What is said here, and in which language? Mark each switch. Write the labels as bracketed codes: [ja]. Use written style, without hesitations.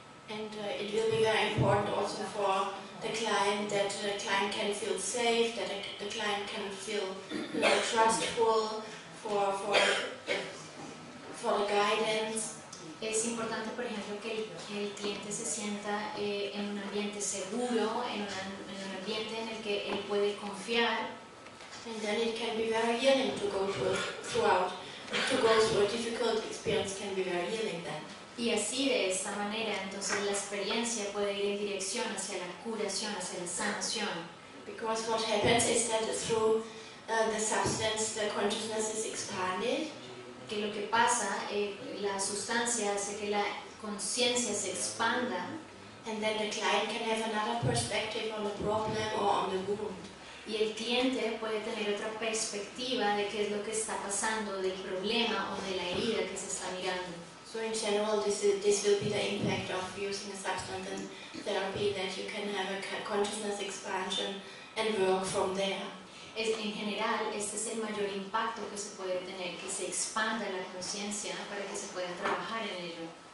[en] And it will be very important also for the client that the client can feel safe, that the client can feel trustful for the guidance. [es] Es importante, por ejemplo, que el cliente se sienta en un ambiente seguro, en un ambiente en el que él puede confiar. [en] And then it can be very healing to go throughout. To go through a difficult experience can be very healing then. [es] Y así de esta manera, entonces la experiencia puede ir en dirección hacia la curación, hacia la sanación. [en] Because what happens is that through the substance, the consciousness is expanded. [es] Que lo que pasa, la sustancia hace que la conciencia se expanda. [en] And then the client can have another perspective on the problem or on the wound. [es] Y el cliente puede tener otra perspectiva de qué es lo que está pasando, del problema o de la herida que se está mirando. [en] So in general, this will be the impact of using a substance and therapy, that you can have a consciousness expansion and work from there. [es] En general, este es el mayor impacto que se puede tener, que se expanda la conciencia para que se pueda trabajar en ello.